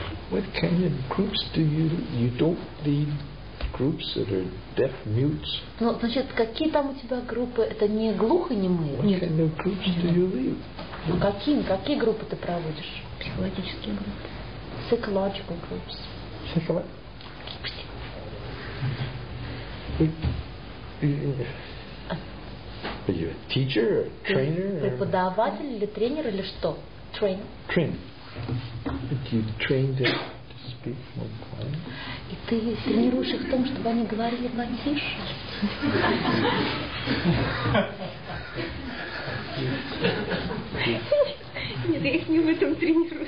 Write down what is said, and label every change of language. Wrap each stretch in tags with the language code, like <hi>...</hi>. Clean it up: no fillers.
<en>What kind of groups do you don't need groups that are deaf mutes?</en> <ru>Ну, значит, какие там у тебя группы? Это не глухонемые.</ru> <en>What kind of groups do you lead?</en> <ru>Ну, какие группы ты проводишь? Психологические группы.</ru> <en>Psychological groups. Are you a teacher or a trainer?</en> <ru>Преподаватель или тренер или что?</ru> <en>Trainer. Trainer. But you train them to speak more quietly.</en> <ru>И ты тренируешь их в том, чтобы они говорили потише. Нет, я их не в этом тренирую.</ru>